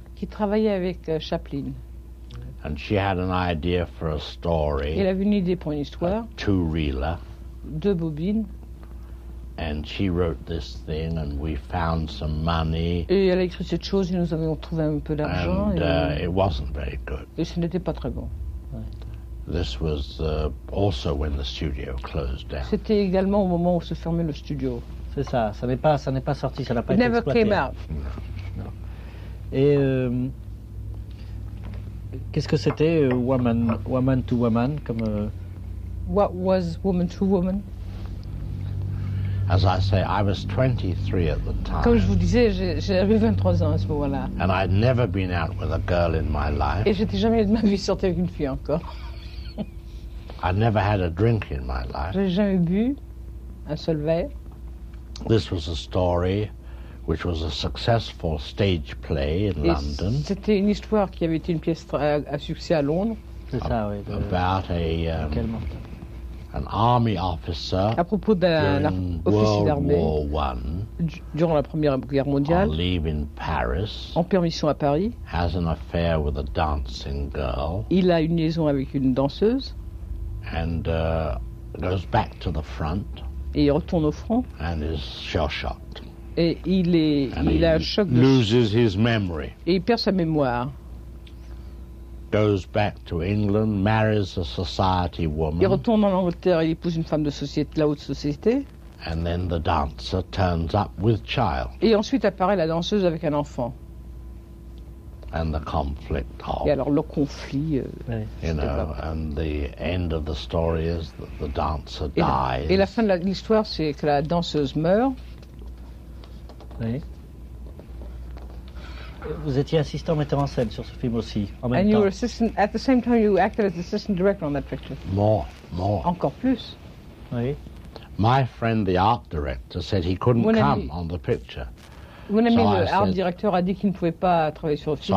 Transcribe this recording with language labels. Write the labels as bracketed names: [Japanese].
[French] Qui travaillait avec Chaplin. [English] And she had an idea for a story. [French] Elle avait une idée pour une histoire. [English] Two reeler. [French] Deux bobines. [English] And she wrote this thing, and we found some money. [French] Et elle a écrit cette chose, et nous avons trouvé un peu d'argent. [English] And it wasn't very good. [French] Et ce n'était pas très bon. [English] This was also when the studio closed down. [French] C'était également au moment où se fermait le studio. C'est ça. Ça n'est pas sorti. Ça n'a pas été exploité. [English] It never came out. [French] Et qu'est-ce que c'était, woman to woman, comme [English] What was woman to woman? As I say, I was 23 at the time. [French] Comme je vous disais, j'avais 23 ans à ce moment-là. [English] And I'd never been out with a girl in my life. [French] Et j'étais jamais de ma vie sorti avec une fille encore. [English] I'd never had a drink in my life. [French] J'ai jamais bu un seul verre. [English] This was a story which was a successful stage play in [French] Et [English] London. [French] C'était une histoire qui avait été une pièce à succès à Londres. C'est ça, oui. [English] About a an army officer [French] à propos d'un officier d'armée durant la Première Guerre mondiale [English] on leave in Paris, [French] en permission à Paris [English] has an affair with a dancing girl, [French] il a une liaison avec une danseuse [English] and, goes back to the front, [French] et il retourne au front [English] and is shell-shocked, [French] et il a un choc de [English] loses his memory, [French] et il perd sa mémoire. [English] Goes back to England, marries a society woman. [French] Il retourne en Angleterre et épouse une femme de société, la haute société. [English] And then the dancer turns up with child. [French] Et ensuite apparaît la danseuse avec un enfant. [English] And the conflict of. [French] Et alors le conflit. [English] And the end of the story is that the dancer [French] et [English] dies. [French] Et la fin de l'histoire, c'est que la danseuse meurt. Oui. Vous étiez assistant metteur en scène sur ce film aussi, en même temps. [English] And you were assistant, at the same time you acted as assistant director on that picture. More. [French] Encore plus. Oui. [English] My friend, the art director, said he couldn't [French] mon [English] come [French] ami, [English] on the picture. [French] Mon ami, so le art directeur, a dit qu'il ne pouvait pas travailler sur le film.